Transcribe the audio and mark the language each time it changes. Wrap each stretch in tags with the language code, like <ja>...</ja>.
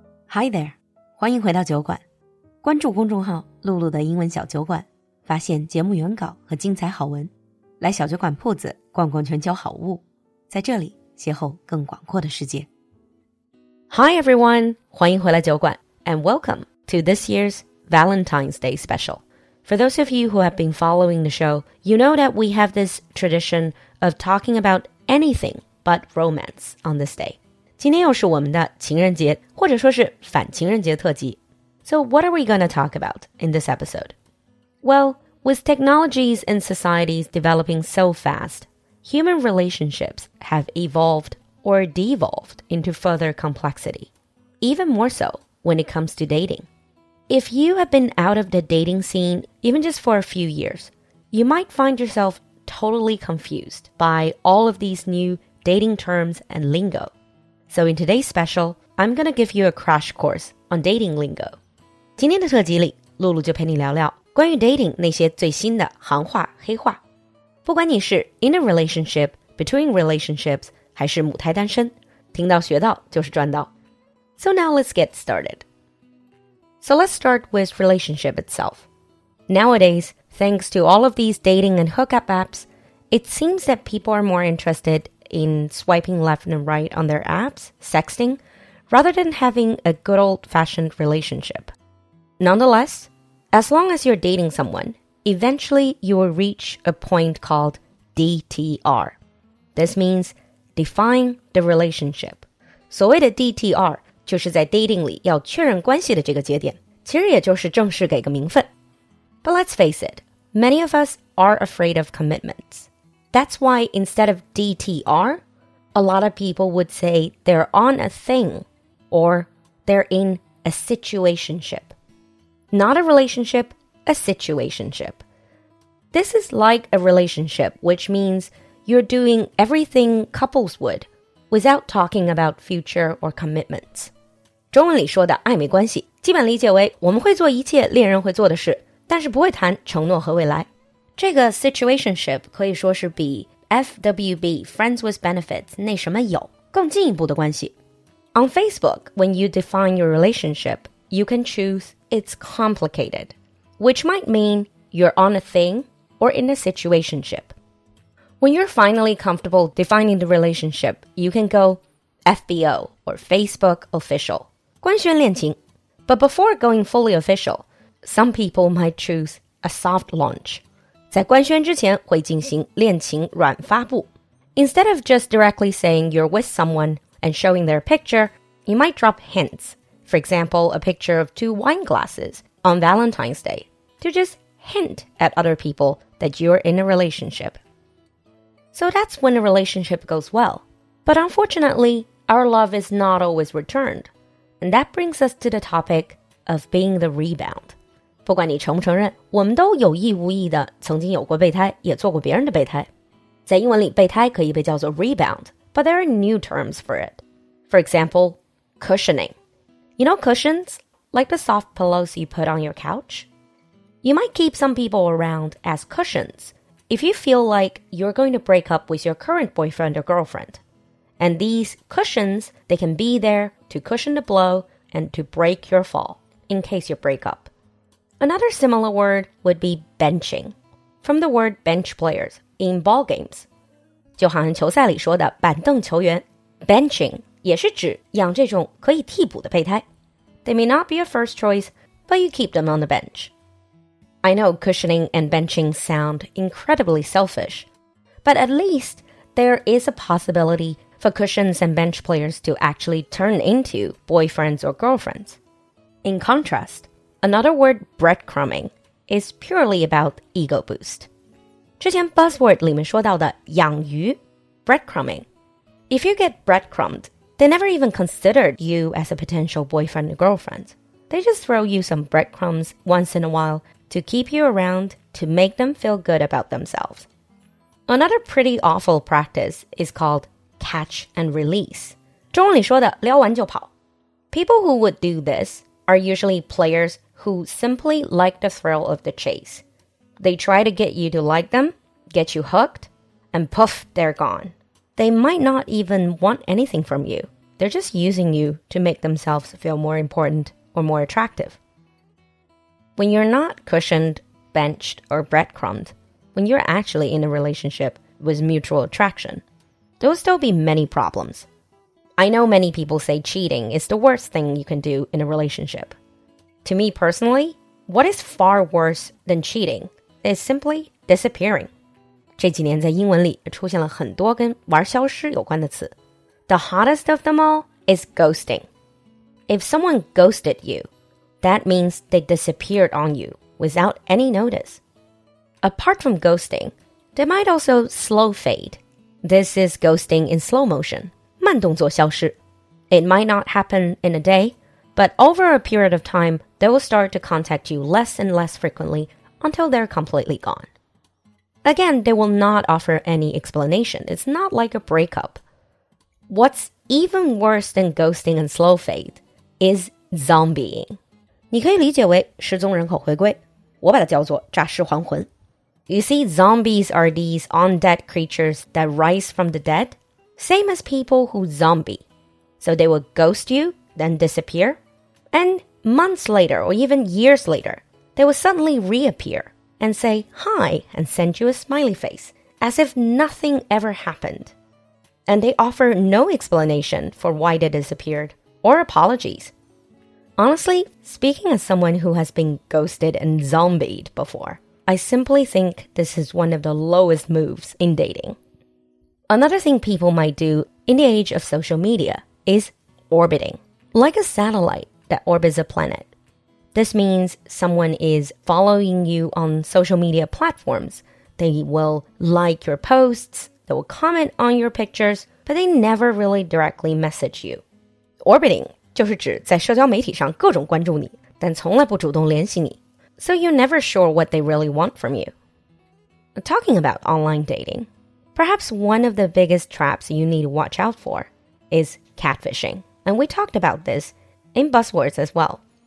<en>Hi there,</en> <zh>欢迎回到酒馆。关注公众号露露的英文小酒馆，发现节目原稿和精彩好文，来小酒馆铺子逛逛全球好物，在这里邂逅更广阔的世界。</zh> <en>Hi everyone,</en> <zh>欢迎回来酒馆</zh> <en>and welcome to this year's Valentine's Day special. For those of you who have been following the show, you know that we have this tradition of talking about anything but romance on this day.</en> <zh>今天又是我们的情人节，或者说是反情人节特辑。</zh> <en>So what are we going to talk about in this episode? Well, with technologies and societies developing so fast, human relationships have evolved or devolved into further complexity. Even more so when it comes to dating. If you have been out of the dating scene even just for a few years, you might find yourself totally confused by all of these new dating terms and lingo. So in today's special, I'm going to give you a crash course on dating lingo.</en> <zh>今天的特辑里，露露就陪你聊聊关于 dating 那些最新的行话黑话。不管你是</zh> <en>in a relationship, between relationships,</en> <zh>还是母胎单身，听到学到就是赚到。</zh> <en>So now let's get started. So let's start with relationship itself. Nowadays, thanks to all of these dating and hookup apps, it seems that people are more interestedin swiping left and right on their apps, sexting, rather than having a good old-fashioned relationship. Nonetheless, as long as you're dating someone, eventually you will reach a point called DTR. This means define the relationship.</en> <zh>所谓的 DTR 就是在 dating 里要确认关系的这个节点，其实也就是正式给个名分。</zh> <en>But let's face it, many of us are afraid of commitments. That's why instead of DTR, a lot of people would say they're on a thing or they're in a situationship. Not a relationship, a situationship. This is like a relationship, which means you're doing everything couples would without talking about future or commitments.</en> <zh>中文里说的暧昧关系基本理解为我们会做一切恋人会做的事但是不会谈承诺和未来。这个 situationship 可以说是比 FWB,</zh> <en>friends with benefits,</en> <zh>那什么有更进一步的关系。</zh> <en>On Facebook, when you define your relationship, you can choose it's complicated, which might mean you're on a thing or in a situationship. When you're finally comfortable defining the relationship, you can go FBO or Facebook official.</en> <zh>官宣恋情。</zh> <en>But before going fully official, some people might choose a soft launch.</en> <zh>在官宣之前会进行恋情软发布。</zh> <en>Instead of just directly saying you're with someone and showing their picture, you might drop hints. For example, a picture of two wine glasses on Valentine's Day to just hint at other people that you're in a relationship. So that's when a relationship goes well. But unfortunately, our love is not always returned. And that brings us to the topic of being the rebound.</en> <zh>不管你承不承认，我们都有意无意的曾经有过备胎，也做过别人的备胎。在英文里，备胎可以被叫做 rebound,</zh> <en>but there are new terms for it. For example, cushioning. You know cushions? Like the soft pillows you put on your couch? You might keep some people around as cushions if you feel like you're going to break up with your current boyfriend or girlfriend. And these cushions, they can be there to cushion the blow and to break your fall in case you break up. Another similar word would be benching, from the word bench players in ball games.</en> <zh>就好像球赛里说的板凳球员 benching 也是指养这种可以替补的备胎。</zh> <en>They may not be a first choice, but you keep them on the bench. I know cushioning and benching sound incredibly selfish, but at least there is a possibility for cushions and bench players to actually turn into boyfriends or girlfriends. In contrast,Another word, breadcrumbing, is purely about ego boost.</en> <zh>之前 buzzword 里面说到的养鱼</zh> <en>breadcrumbing. If you get breadcrumbed, they never even considered you as a potential boyfriend or girlfriend. They just throw you some breadcrumbs once in a while to keep you around to make them feel good about themselves. Another pretty awful practice is called catch and release.</en> <zh>中文里说的撩完就跑。</zh> <en>People who would do this,are usually players who simply like the thrill of the chase. They try to get you to like them, get you hooked, and poof, they're gone. They might not even want anything from you. They're just using you to make themselves feel more important or more attractive. When you're not cushioned, benched, or breadcrumbed, when you're actually in a relationship with mutual attraction, there'll still be many problems. I know many people say cheating is the worst thing you can do in a relationship. To me personally, what is far worse than cheating is simply disappearing.</en> <zh>这几年在英文里出现了很多跟玩消失有关的词。</zh> <en>The hottest of them all is ghosting. If someone ghosted you, that means they disappeared on you without any notice. Apart from ghosting, they might also slow fade. This is ghosting in slow motion.</en> <zh>慢动作消失。</zh> <en>It might not happen in a day, but over a period of time, they will start to contact you less and less frequently until they're completely gone. Again, they will not offer any explanation. It's not like a breakup. What's even worse than ghosting and slow fade is zombieing.</en> <zh>你可以理解为失踪人口回归，我把它叫做诈尸还魂。</zh> <en>You see, zombies are these undead creatures that rise from the dead, same as people who zombie. So they will ghost you, then disappear, and months later or even years later, they will suddenly reappear and say hi and send you a smiley face, as if nothing ever happened. And they offer no explanation for why they disappeared, or apologies. Honestly, speaking as someone who has been ghosted and zombied before, I simply think this is one of the lowest moves in dating. Another thing people might do in the age of social media is orbiting, like a satellite that orbits a planet. This means someone is following you on social media platforms. They will like your posts,They will comment on your pictures, but they never really directly message you.</en> <zh>Orbiting 就是指在社交媒体上各种关注你，但从来不主动联系你。</zh> <en>So you're never sure what they really want from you. Talking about online dating, perhaps one of the biggest traps you need to watch out for is catfishing. And we talked about this in Buzzwords as well.</en>